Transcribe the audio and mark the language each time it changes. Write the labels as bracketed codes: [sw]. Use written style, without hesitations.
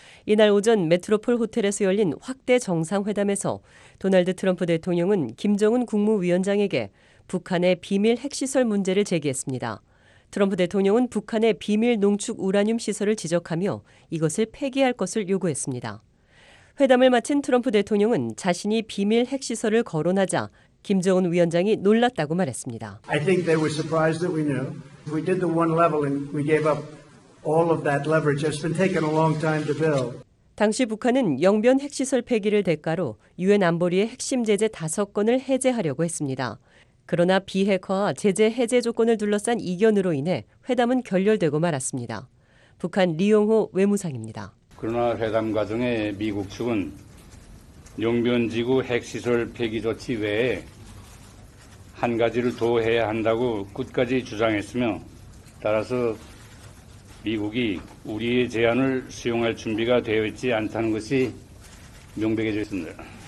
[ko] 이날 오전 메트로폴 호텔에서 열린 확대 정상회담에서 도널드 트럼프 대통령은 김정은 국무위원장에게 북한의 비밀 핵시설 문제를 제기했습니다. 트럼프 대통령은 북한의 비밀 농축 우라늄 시설을 지적하며 이것을 폐기할 것을 요구했습니다. 회담을 마친 트럼프 대통령은 자신이 비밀 핵시설을 거론하자 김정은 위원장이 놀랐다고 말했습니다. [en] I think they were surprised that we knew. We did the one level and we gave up all of that leverage. It's been taken a long time to build. [ko] 당시 북한은 영변 핵시설 폐기를 대가로 유엔 안보리의 핵심 제재 5건을 해제하려고 했습니다. 그러나 비핵화와 제재 해제 조건을 둘러싼 이견으로 인해 회담은 결렬되고 말았습니다. 북한 리용호 외무상입니다. 그러나 회담 과정에 미국 측은 용변지구 핵시설 폐기 조치 외에 한 가지를 더 해야 한다고 끝까지 주장했으며 따라서 미국이 우리의 제안을 수용할 준비가 되어 있지 않다는 것이 명백해져 있습니다.